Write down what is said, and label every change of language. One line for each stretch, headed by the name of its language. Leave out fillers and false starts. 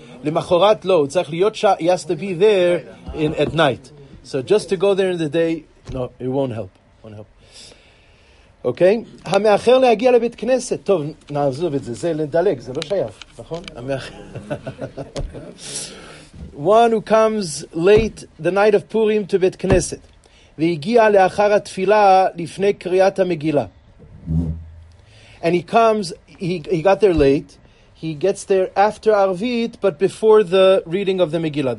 Hebrew: למחרת לא, הוא צריך להיות שם,
English: he has to be there at night. So just to go there in the day, no, it won't help.
Hebrew: אוקיי? המאחר להגיע לבית כנסת, טוב, נעזוב את זה, זה לדלג, זה לא שייך, נכון?
English: One who comes late the night of Purim to בית כנסת,
Hebrew: והגיע לאחר התפילה לפני קריאת המגילה.
English: And he comes, he got there late. He gets there after Arvit, but before the reading of the Megillah.